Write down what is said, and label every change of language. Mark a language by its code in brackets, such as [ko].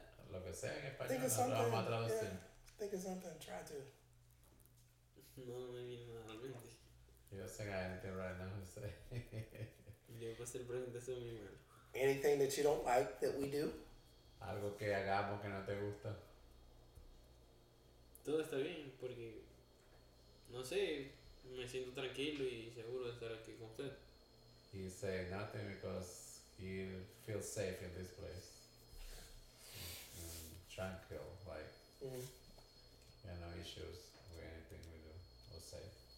[es] Lo que sea en español, no lo vamos a traducir. [en] Yeah. Think of something, try to. [es] No, no me viene nada a la mente. [en] You don't think I have anything right now to say. [es] Yo voy a hacer preguntas a mi hermano. [en] Anything that you don't like that we do? [es] Algo que hagamos que no te gusta. Todo está bien, porque, no sé, me siento tranquilo y seguro de estar aquí con usted. [en] He say nothing because he feels safe in this place. Tranquil, like, you know, no issues with anything we do, or safe.